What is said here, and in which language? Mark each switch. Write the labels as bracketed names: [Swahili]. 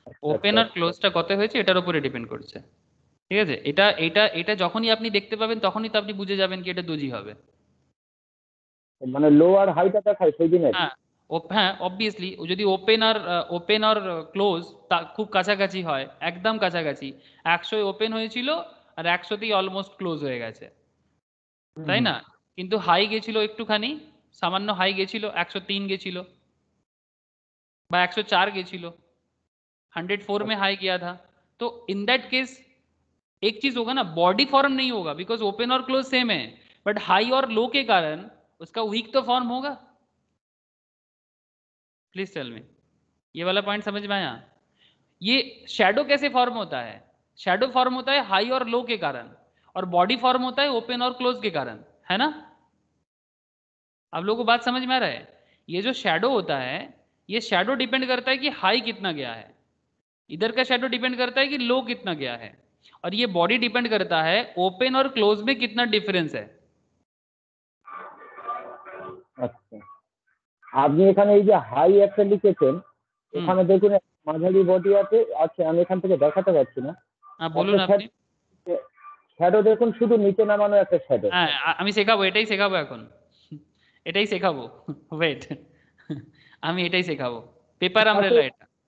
[Bangla] Open or ক্লোজটা কতই হয়েছে এটার উপরে ডিপেন্ড করছে, ঠিক আছে, এটা এটা এটা যখনই আপনি দেখতে পাবেন তখনই তো আপনি বুঝে যাবেন কি এটা দোজি হবে, মানে লো আর হাইটা দেখায় সেই দিনে, হ্যাঁ অবভিয়াসলি যদি ওপেন আর ক্লোজ খুব কাছাকাছি হয়, একদম কাছাকাছি, 100 ওপেন হয়েছিল আর 100 তেই অলমোস্ট ক্লোজ হয়ে গেছে, তাই না, কিন্তু হাই গেছিল একটুখানি, সামান্য হাই গেছিল, 103 গেছিল বা 104 গেছিল, [Hindi] 104 মে হাই গিয়া থা, তো ইন দ্যাট কেস एक चीज होगा ना, बॉडी फॉर्म नहीं होगा, बिकॉज ओपन और क्लोज सेम है, बट हाई और लो के कारण उसका वीक तो फॉर्म होगा, प्लीज टेल मी, ये वाला पॉइंट समझ में आया, ये शैडो कैसे फॉर्म होता है, शैडो फॉर्म होता है हाई और लो के कारण, और बॉडी फॉर्म होता है ओपन और क्लोज के कारण, है ना, आप लोगों को बात समझ में आ रहा है, ये जो शैडो होता है ये शैडो डिपेंड करता है कि हाई कितना गया है, इधर का शैडो डिपेंड करता है कि लो कितना गया है, और ये बॉडी डिपेंड करता है ओपन और क्लोज में कितना डिफरेंस है। अच्छा, आपने [Bangla] এখানে এই যে হাই একটা লিখেছেন, এখানে দেখুন মাঝারি বডি আছে, আচ্ছা আমি এখান থেকে দেখাতে পারছি না, হ্যাঁ বলুন আপনি, শ্যাডো দেখুন শুধু নিচে নামানো একটা শ্যাডো, হ্যাঁ আমি শেখাবো, এটাই শেখাবো এখন, এটাই শেখাবো, ওয়েট আমি এটাই শেখাবো, পেপার আমরেলা এটা,